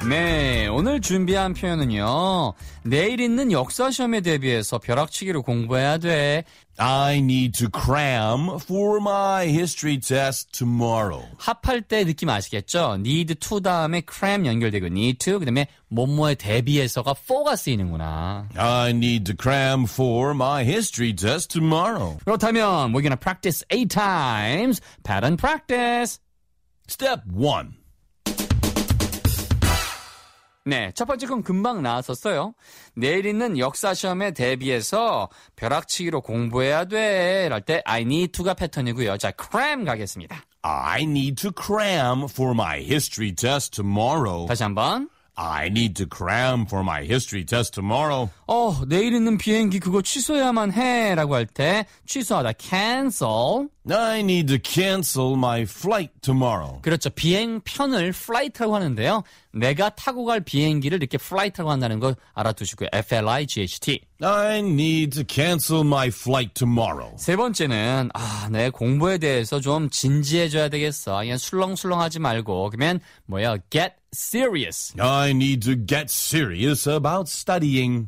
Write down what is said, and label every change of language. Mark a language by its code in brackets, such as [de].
[ko] 네, 오늘 준비한 표현은요. 내일 있는 역사 시험에 대비해서 벼락치기로 공부해야 돼. [en] I need to cram for my history test tomorrow. [ko] 합할 때 느낌 아시겠죠? need to 다음에 cram 연결되고 need to 그다음에 뭐뭐에 대비해서가 for가 쓰이는구나. [en] I need to cram for my history test tomorrow. [ko] 그렇다면 [en] we're going to practice 8 times. Pattern practice. Step 1. [ko] 네, 첫 번째 건 금방 나왔었어요. 내일 있는 역사 시험에 대비해서 벼락치기로 공부해야 돼. 이럴 때 I need to가 패턴이고요. 자, cram 가겠습니다. [en] I need to cram for my history test tomorrow. [ko] 다시 한번. [en] I need to cram for my history test tomorrow. [ko] 어, 내일 있는 비행기 그거 취소해야만 해라고 할 때 취소하다 cancel. [en] I need to cancel my flight tomorrow. [ko] 그렇죠. 비행편을 flight라고 하는데요. 내가 타고 갈 비행기를 이렇게 flight라고 한다는 거 알아두시고요. [en] flight. I need to cancel my flight tomorrow. [ko] 세 번째는 아, 내 공부에 대해서 좀 진지해져야 되겠어. 그냥 술렁술렁하지 말고 그러면 뭐야? [en] get serious. I need to get serious about studying.